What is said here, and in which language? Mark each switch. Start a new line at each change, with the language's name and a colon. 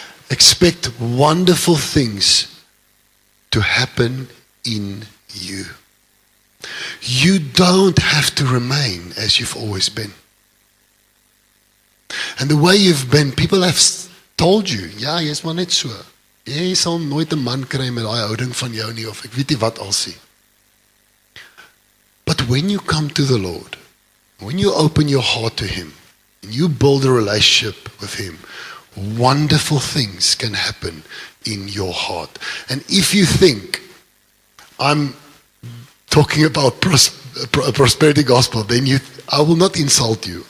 English: Expect wonderful things to happen in you. You don't have to remain as you've always been. And the way you've been, people have told you, ja,
Afrikaans: jy is maar net so. Jy sal nooit 'n man kry met daai houding van jou nie, of ek weet nie wat al sê.
English: But when you come to the Lord, when you open your heart to Him, and you build a relationship with Him, wonderful things can happen in your heart. And if you think, I'm talking about prosperity gospel, then I will not insult you.